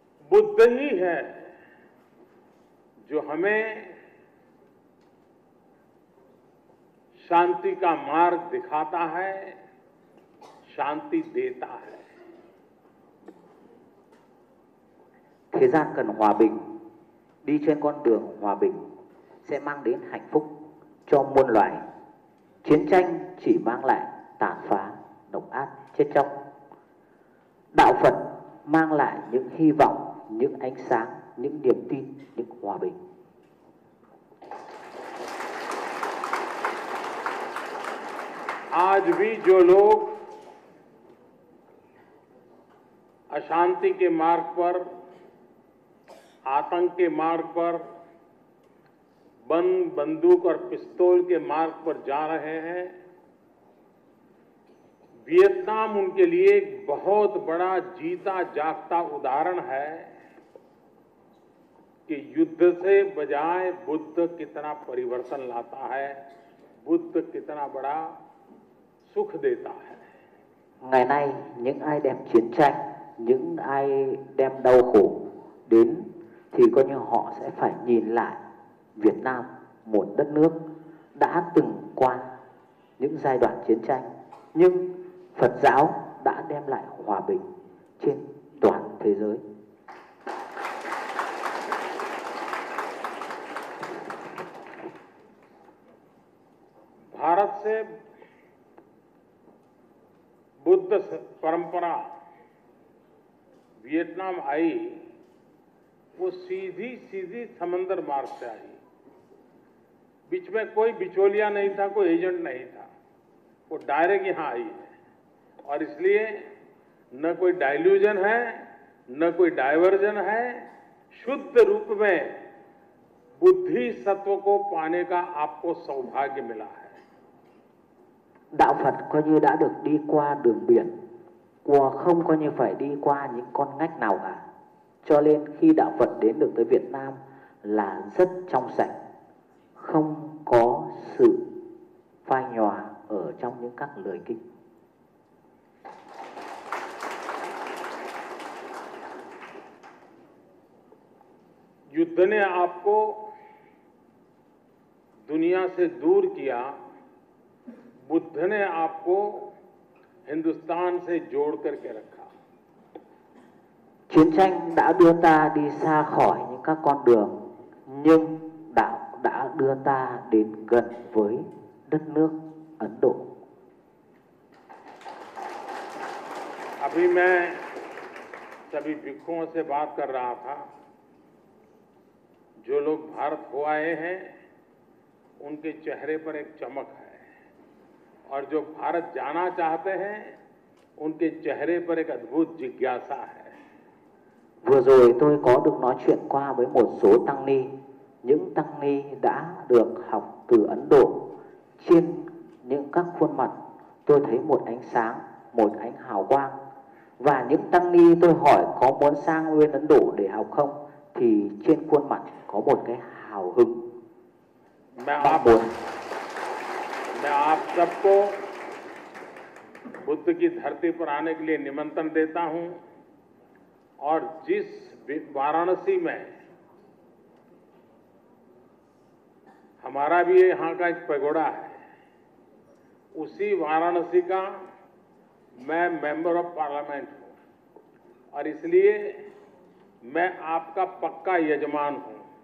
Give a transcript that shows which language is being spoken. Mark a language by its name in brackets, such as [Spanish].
[Hindi] बुद्ध ही है जो हमें शांति का मार्ग दिखाता है, शांति देता है. [Vietnamese] Thế gian cần hòa bình, đi trên con đường hòa bình sẽ mang đến hạnh phúc cho muôn loài. Chiến tranh chỉ mang lại tàn phá, độc ác, chết chóc. Đạo Phật mang lại những hy vọng, những ánh sáng, những niềm tin, những hòa bình. [Hindi] आज भी जो लोग अशांति के मार्ग पर, आतंक के मार्ग पर, बंदूक और पिस्तौल के मार्ग पर जा रहे हैं, वियतनाम उनके लिए एक बहुत बड़ा जीता जागता उदाहरण है कि युद्ध से बजाय बुद्ध कितना परिवर्तन लाता है, बुद्ध कितना बड़ा सुख देता है. [Vietnamese] Ngày nay những ai đem chiến tranh, những ai đem đau khổ đến thì coi như họ sẽ phải nhìn lại Việt Nam, một đất nước đã từng qua những giai đoạn chiến tranh, nhưng Phật giáo đã đem lại hòa bình trên toàn thế giới. [Hindi] Bharat से बुद्ध परंपरा Vietnam I वो सीधी सीधी समंदर मार्ग से आई, बीच में कोई बिचौलिया नहीं था, कोई एजेंट नहीं था, वो डायरेक्ट यहां आई है। और इसलिए न कोई डाइल्यूजन है, न कोई डायवर्जन है, शुद्ध रूप में बुद्धि सत्व को पाने का आपको सौभाग्य मिला है। [Vietnamese] Đạo Phật coi như đã được đi qua đường biển, của không coi như phải đi qua những con ngách nào cả. Cho nên khi Đạo Phật đến được tới Việt Nam là rất trong sạch, không có sự phai nhòa ở trong những các lời kinh. [Hindi] युद्ध ने आपको दुनिया से दूर किया, बुद्ध ने आपको हिंदुस्तान से जोड़ करके रखा। [Vietnamese] Chiến tranh đã đưa ta đi xa khỏi những các con đường, nhưng đạo đã đưa ta đến gần với đất nước Ấn Độ. [Hindi] अभी मैं सभी भिक्षुओं से बात कर रहा था, जो लोग भारत हो आए हैं उनके चेहरे पर एक चमक है, और जो भारत जाना चाहते हैं उनके चेहरे पर एक अद्भुत जिज्ञासा है। [Vietnamese] Vừa rồi tôi có được nói chuyện qua với một số tăng ni, những tăng ni đã được học từ Ấn Độ, trên những các khuôn mặt tôi thấy một ánh sáng, một ánh hào quang, và những tăng ni tôi hỏi có muốn sang nguyên Ấn Độ để học không thì trên khuôn mặt có một cái hào hứng. [Hindi] मैं आप सबको बुद्ध की धरती पर आने के लिए निमंत्रण देता हूं, और जिस वाराणसी में हमारा भी यहां का एक पगोड़ा है, उसी वाराणसी का मैं [English] member of parliament [Hindi] हूं, और इसलिए मैं आपका पक्का यजमान हूं।